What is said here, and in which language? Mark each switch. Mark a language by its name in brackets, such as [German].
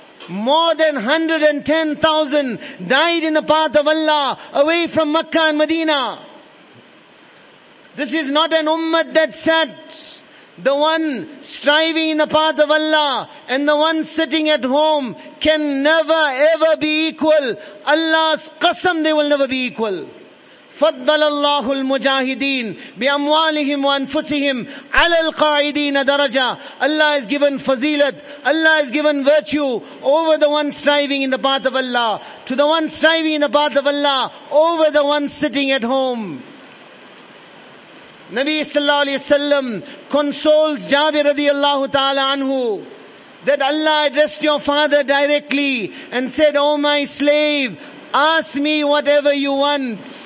[English] More than 110,000 died in the path of Allah, away from Makkah and Medina. This is not an ummah that sat. The one striving in the path of Allah and the one sitting at home can never ever be equal. Allah's qasam, they will never be equal. [Arabic] فضل الله المجاهدين بأموالهم وأنفسهم على القاعدين درجة. [English] Allah has given fazilat, Allah has given virtue over the one striving in the path of Allah, to the one striving in the path of Allah, over the one sitting at home. Nabi sallallahu alayhi wa sallam consoles Jabir radiallahu ta'ala anhu that Allah addressed your father directly and said, oh my slave, ask me whatever you want.